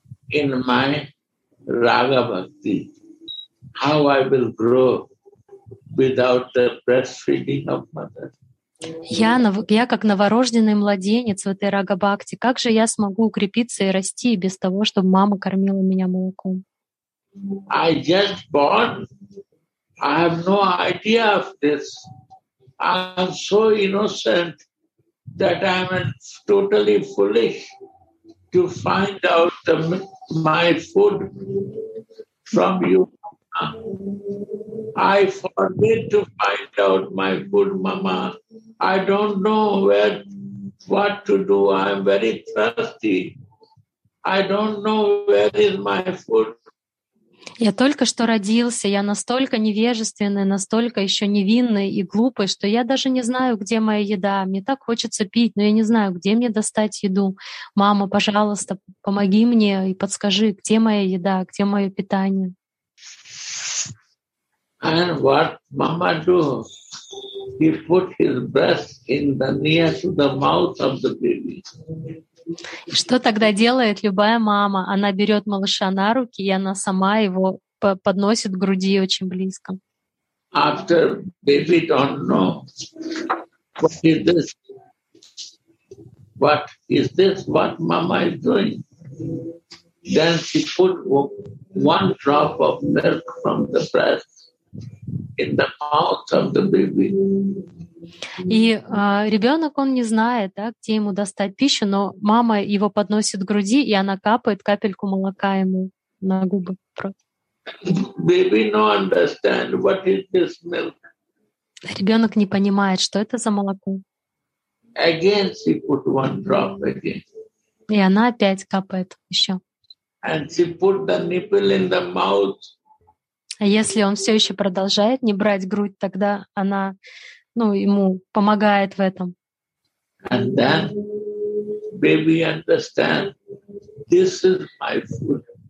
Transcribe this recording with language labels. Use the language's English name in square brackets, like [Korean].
[English] In my Raga Bhakti, how I will grow without the breastfeeding of mother? [Russian] Я как новорожденный младенец в этой Рага Бхакти. Как же я смогу укрепиться и расти без того, чтобы мама кормила меня молоком? [English] I just born. I have no idea of this. I am so innocent that I am totally foolish to find out the my food from you, Mama. I forget to find out my food, Mama. I don't know what to do. I'm very thirsty. I don't know where is my food. [Russian] Я только что родился. Я настолько невежественный, настолько еще невинный и глупый, что я даже не знаю, где моя еда. Мне так хочется пить, но я не знаю, где мне достать еду. Мама, пожалуйста, помоги мне и подскажи, где моя еда, где мое питание. [English] And what Mama do? He put his breast in the near to the mouth of the baby. [Russian] Что тогда делает любая мама? Она берет малыша на руки, и она сама его подносит к груди очень близко. [English] After baby don't know what is this? What is this? What mama is doing? Then she put one drop of milk from the breast in the mouth of the baby. [Russian] И ребенок он не знает, да, где ему достать пищу, но мама его подносит к груди, и она капает капельку молока ему на губы. [English] Baby no understand what is this milk. [Russian] Ребенок не понимает, что это за молоко. [English] Again she put one drop again. [Russian] И она опять капает еще. [English] And she put the nipple in the mouth. [Russian] А если он все еще продолжает не брать грудь, тогда она ну, ему помогает в этом. [English] And then baby understand this is my food.